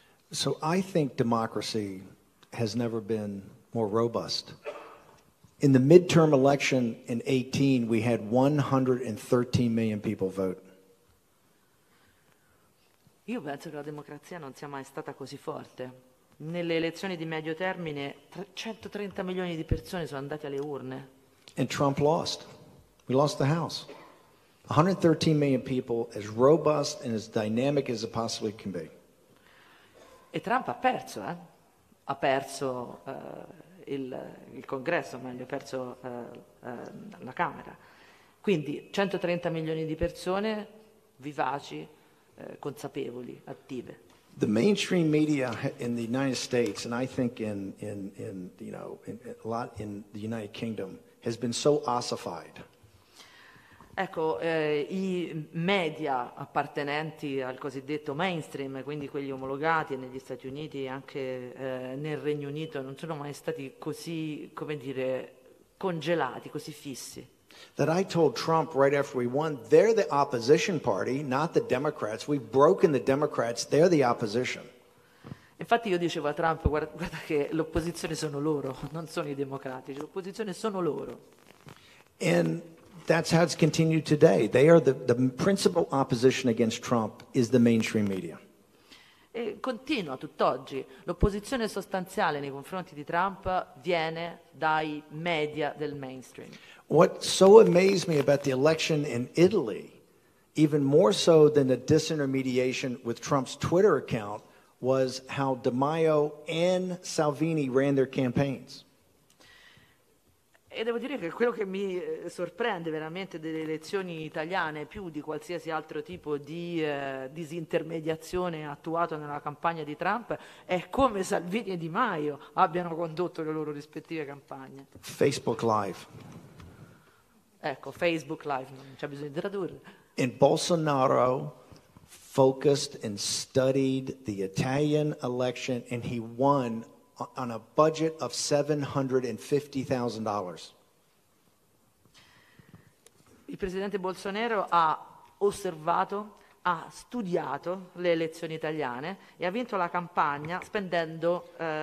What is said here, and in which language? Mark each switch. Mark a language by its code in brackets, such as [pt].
[en] So I think democracy has never been more robust. In the midterm election in 18 we had 113 million people vote. [it] Io penso che la democrazia non sia mai stata così forte. Nelle elezioni di medio termine 130 milioni di persone sono andate alle urne. [en] And Trump lost. We lost the House. 113 million people, as robust and as dynamic as it possibly can be. [it] E Trump ha perso, eh? Ha perso il congresso, meglio, perso la Camera. Quindi 130 milioni di persone vivaci, consapevoli, attive. [en] The mainstream media in the United States, and I think in you know in a lot in the United Kingdom, has been so ossified. [it] Ecco, i media appartenenti al cosiddetto mainstream, quindi quelli omologati negli Stati Uniti e anche nel Regno Unito, non sono mai stati così, come dire, congelati, così fissi. [en] That I told Trump right after we won, they're the opposition party, not the Democrats. We've broken the Democrats, they're the opposition. [it] Infatti io dicevo a Trump, guarda che l'opposizione sono loro, non sono i democratici, l'opposizione sono loro. [en] And that's how it's continued today. They are the principal opposition against Trump is the mainstream media. [it] E continua tutt'oggi. L'opposizione sostanziale nei confronti di Trump viene dai media del mainstream. [en] What so amazed me about the election in Italy, even more so than the disintermediation with Trump's Twitter account, was how Di Maio and Salvini ran their campaigns. [it] E devo dire che quello che mi sorprende veramente delle elezioni italiane, più di qualsiasi altro tipo di disintermediazione attuato nella campagna di Trump, è come Salvini e Di Maio abbiano condotto le loro rispettive campagne. [en] Facebook Live. [it] Ecco, Facebook Live, non c'è bisogno di tradurre. [en] And Bolsonaro focused and studied the Italian election and he won on a budget of $750,000. [it] Il presidente Bolsonaro ha osservato, ha studiato le elezioni italiane e ha vinto la campagna spendendo